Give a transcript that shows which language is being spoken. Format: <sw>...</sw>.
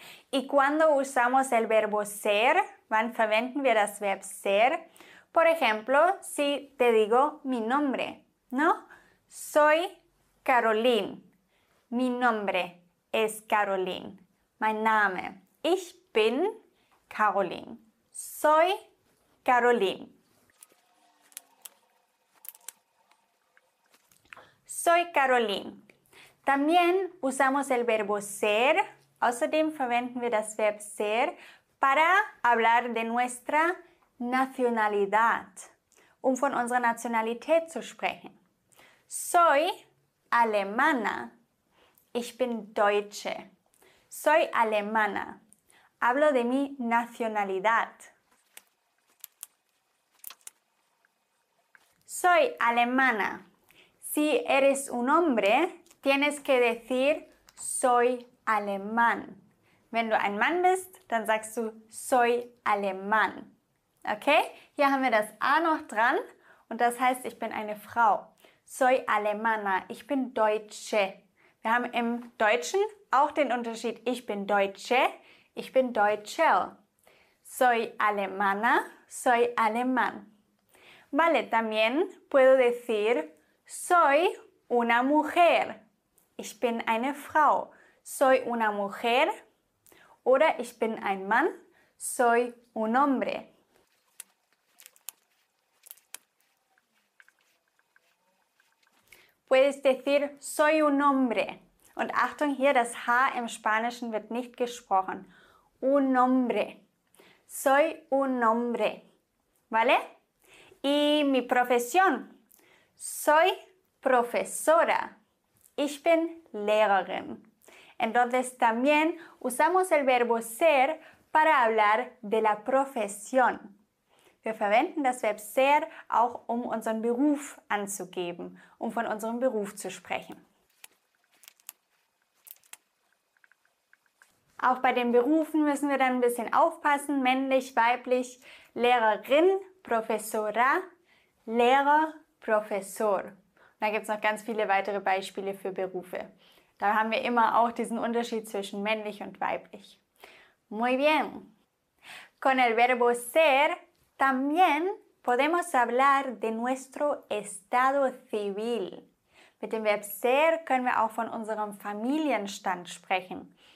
<es>¿Y cuándo usamos el verbo ser?</es> <de>¿Wann verwenden wir das Verb ser?</de> <es>Por ejemplo, si te digo mi nombre, ¿no? Soy Caroline. Mi nombre es Caroline.</es> <de>Mein Name. Ich bin Caroline.</de> <es>Soy Caroline. Soy Caroline. También usamos el verbo ser.</es> <de>Außerdem verwenden wir das Verb ser</de> <es>para hablar de nuestra Nacionalidad,</es> <de>um von unserer Nationalität zu sprechen.</de> <es>Soy alemana.</es> <de>Ich bin Deutsche.</de> <es>Soy alemana. Hablo de mi Nacionalidad. Soy alemana. Si eres un hombre, tienes que decir soy alemán.</es> <de>Wenn du ein Mann bist, dann sagst du</de> <es>soy alemán.</es> <de>Okay? Hier haben wir das A noch dran und das heißt, ich bin eine Frau.</de> <es>Soy alemana.</es> <de>Ich bin Deutsche. Wir haben im Deutschen auch den Unterschied. Ich bin Deutsche. Ich bin Deutscher.</de> <es>Soy alemana, soy alemán. Vale, también puedo decir soy una mujer.</es> <de>Ich bin eine Frau.</de> <es>Soy una mujer.</es> <de>Oder ich bin ein Mann.</de> <es>Soy un hombre. Puedes decir soy un hombre.</es> <de>Und Achtung hier, das H im Spanischen wird nicht gesprochen.</de> <es>Un hombre. Soy un hombre. ¿Vale? Y mi profesión. Soy profesora.</es> <de>Ich bin Lehrerin.</de> <es>Entonces también usamos el verbo ser para hablar de la profesión.</es> <de>Wir verwenden das Verb ser auch, um unseren Beruf anzugeben, um von unserem Beruf zu sprechen. Auch bei den Berufen müssen wir dann ein bisschen aufpassen. Männlich, weiblich, Lehrerin, Professora, Lehrer, Professor. Und da gibt es noch ganz viele weitere Beispiele für Berufe. Da haben wir immer auch diesen Unterschied zwischen männlich und weiblich.</de> <es>Muy bien. Con el verbo ser, también podemos hablar de nuestro estado civil.</es> <de>Mit dem Verb ser können wir auch von unserem Familienstand sprechen.</de>